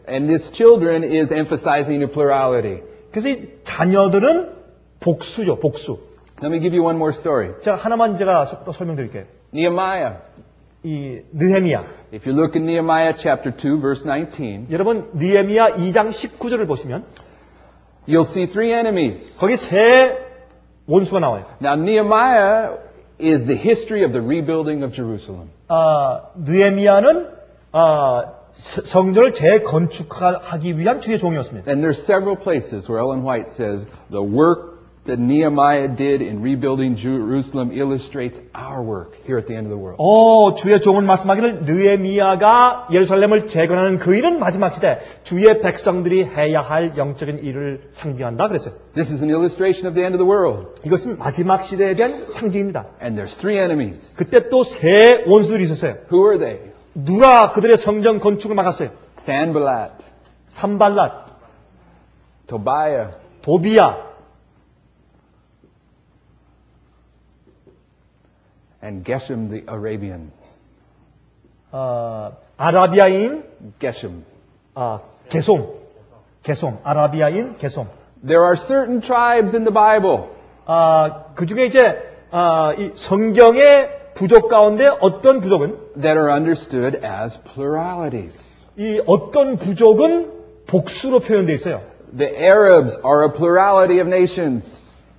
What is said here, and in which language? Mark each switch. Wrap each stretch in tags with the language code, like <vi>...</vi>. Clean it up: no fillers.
<en>And these children is emphasizing the plurality.</en> <ko>그래서 이 자녀들은 복수죠, 복수.</ko> <en>Let me give you one more story.</en> <ko>자, 하나만 제가 또 설명드릴게요.</ko> <en>Nehemiah.</en> <ko>이 느헤미야.</ko> <en>If you look in Nehemiah chapter 2 verse 19.</en> <ko>여러분 느헤미야 2장 19절을 보시면</ko> <en>you'll see three enemies.</en> <ko>거기 세 원수가 나와요.</ko> <en>Now Nehemiah is the history of the rebuilding of Jerusalem.</en> <ko>아, 느헤미야는 아 성전을 재건축하기 위한 주의 종이었습니다.</ko> <en>And there are several places where Ellen White says the work that Nehemiah did in rebuilding Jerusalem illustrates our work here at the end of the world.</en> <ko>오, 주의 종은 말씀하기를 느헤미야가 예루살렘을 재건하는 그 일은 마지막 시대 주의 백성들이 해야 할 영적인 일을 상징한다 그랬어요.</ko> <en>This is an illustration of the end of the world.</en> <ko>이것은 마지막 시대에 대한 상징입니다.</ko> <en>And there's three enemies.</en> <ko>그때 또 세 원수들이 있었어요.</ko> <en>Who are they?</en> <ko>누가 그들의 성전 건축을 막았어요?</ko> <en>Sanballat.</en> <ko>산발랏.</ko> <en>Tobiah.</en> <ko>도비야.</ko> <en>And Geshem the Arabian.</en> <ko>아라비아인</ko> <en>Geshem.</en> <ko>개솜. 개솜. 아라비아인 개솜.</ko> <en>There are certain tribes in the Bible.</en> <ko>그 중에 이제 이 성경의 부족 가운데 어떤 부족은</ko> <en>that are understood as pluralities.</en> <ko>이 어떤 부족은 복수로 표현돼 있어요.</ko> <en>The Arabs are a plurality of nations.</en>